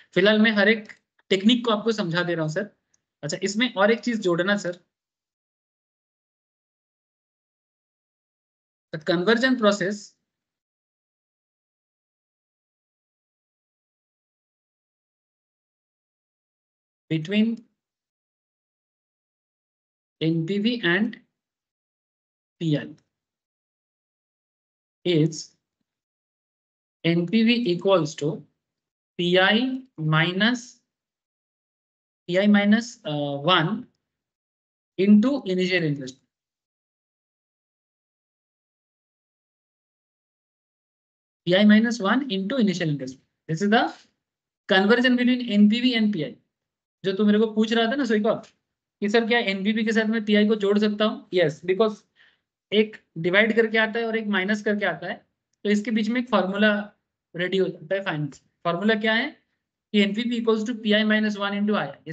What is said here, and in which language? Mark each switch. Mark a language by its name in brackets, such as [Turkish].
[Hindi] फिलहाल मैं हर एक टेक्निक को आपको समझा दे रहा हूँ सर। अच्छा इसमें और एक चीज जोड़ना sir, [English] The conversion process between NPV and PI is NPV equals to PI minus 1 into initial investment. PI minus 1 into initial investment. This is the conversion between NPV and PI. [Hindi] जो तू मेरे को पूछ रहा था ना सोईकॉल कि सर क्या एनपीवी के साथ मैं पीआई को जोड़ सकता हूँ? [English] yes, because [Hindi] एक डिवाइड करके आता है और एक माइनस करके आता है, तो इसके बीच में एक फॉर्मूला रेडी हो जाता है फाइनेंस। [English] formula [Hindi] क्या है कि [English] NPV equals to PI minus one into I.